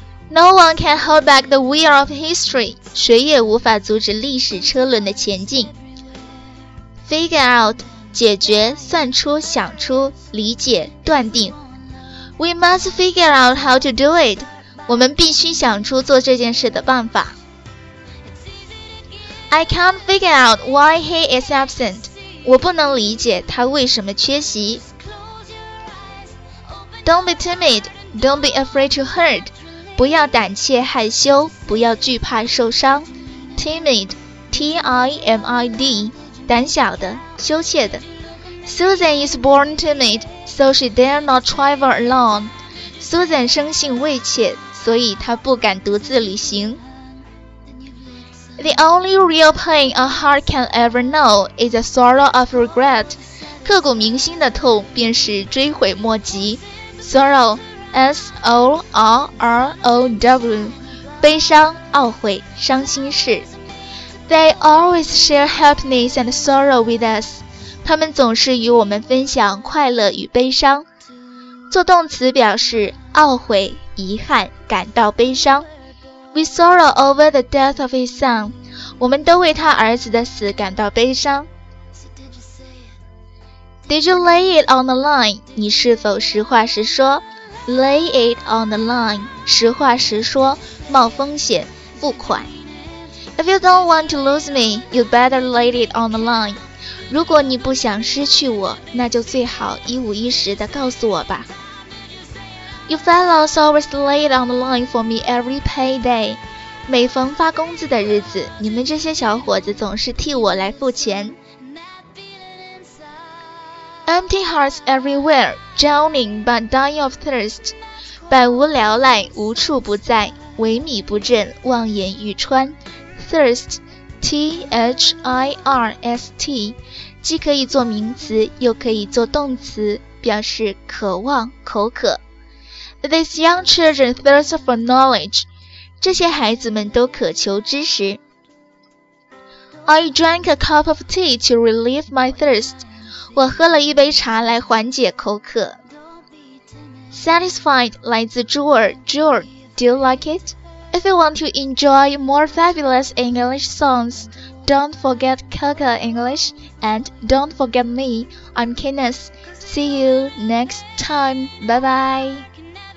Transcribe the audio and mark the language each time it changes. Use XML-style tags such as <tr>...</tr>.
<en>No one can hold back the wheel of history.</en> <zh>谁也无法阻止历史车轮的前进。 Figure out, 解决、算出、想出、理解、断定。</zh> <en>We must figure out how to do it.</en> <zh>我们必须想出做这件事的办法。</zh> <en>I can't figure out why he is absent.</en> <zh>我不能理解他为什么缺席。</zh> <en>Don't be timid. Don't be afraid to hurt.</en> <zh>不要胆怯害羞，不要惧怕受伤。 Timid, T-I-M-I-D, 胆小的，羞怯的。</zh> <en>Susan is born timid, so she dare not travel alone.</en> <zh>Susan 生性畏怯，所以她不敢独自旅行。</zh> <en>The only real pain a heart can ever know is the sorrow of regret.</en> <zh>刻骨铭心的痛便是追悔莫及。Sorrow,S-O-R-R-O-W 悲伤、懊悔、伤心事。</zh> <en>They always share happiness and sorrow with us.</en> <zh>他们总是与我们分享快乐与悲伤。做动词表示懊悔、遗憾、感到悲伤。</zh> <en>We sorrow over the death of his son.</en> <zh>我们都为他儿子的死感到悲伤。</zh> <en>Did you lay it on the line?</en> <zh>你是否实话实说？ Lay it on the line, 实话实说，冒风险，付款。</zh> <en>If you don't want to lose me, you better lay it on the line.</en> <zh>如果你不想失去我，那就最好一五一十地告诉我吧。</zh> <en>You fellows always lay it on the line for me every payday.</en> <zh>每逢发工资的日子，你们这些小伙子总是替我来付钱。</zh> <en>Empty hearts everywhere, drowning but dying of thirst.</en> <zh>百无聊赖，无处不在，萎靡不振，望眼欲穿。 Thirst, T-H-I-R-S-T, 既可以做名词，又可以做动词，表示渴望、口渴。</zh> <en>These young children thirst for knowledge.</en> <zh>这些孩子们都渴求知识。</zh> <en>I drank a cup of tea to relieve my thirst.</en> <zh>我喝了一杯茶来缓解口渴。</zh> <en>Satisfied</en> <zh>来自</zh> <en>Jewel, Jewel, do you like it? If you want to enjoy more fabulous English songs, don't forget Kaka English and don't forget me. I'm Kenneth. See you next time. Bye bye.</en>